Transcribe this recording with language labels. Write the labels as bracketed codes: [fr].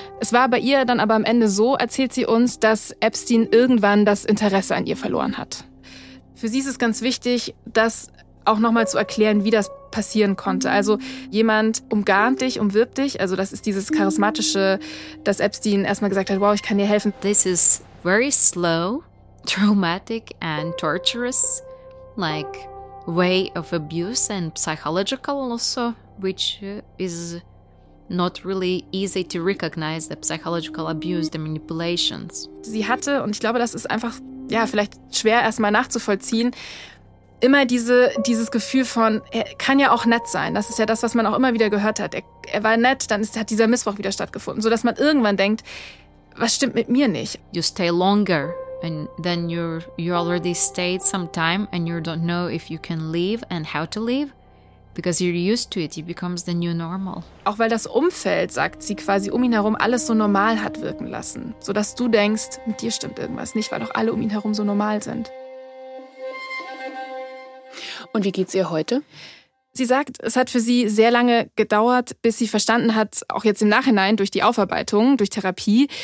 [de] Es war bei ihr dann aber am Ende so, erzählt sie uns, dass Epstein irgendwann das Interesse an ihr verloren hat. Für sie ist es ganz wichtig, das auch nochmal zu erklären, wie das passieren konnte. Also jemand umgarnt dich, umwirbt dich. Also das ist dieses Charismatische, dass Epstein erstmal gesagt hat, wow, ich kann dir helfen. [en] This is very slow, traumatic and torturous, like way of abuse and psychological also, which is not really easy to recognize the psychological abuse, the manipulations. [de] Sie hatte, und ich glaube, das ist einfach, ja, vielleicht schwer erstmal nachzuvollziehen, immer dieses Gefühl von, er kann ja auch nett sein. Das ist ja das, was man auch immer wieder gehört hat. Er war nett, dann hat dieser Missbrauch wieder stattgefunden. Sodass man irgendwann denkt, was stimmt mit mir nicht? [en] You stay longer and then you already stayed some time and you don't know if you can leave and how to leave. Because you're used to it, it becomes the new normal. [de] Auch weil das Umfeld, sagt sie, quasi um ihn herum alles so normal hat wirken lassen. Sodass du denkst, mit dir stimmt irgendwas nicht, weil auch alle um ihn herum so normal sind. Und wie geht's ihr heute? Sie sagt, es hat für sie sehr lange gedauert, bis sie verstanden hat, auch jetzt im Nachhinein durch die Aufarbeitung, durch Therapie.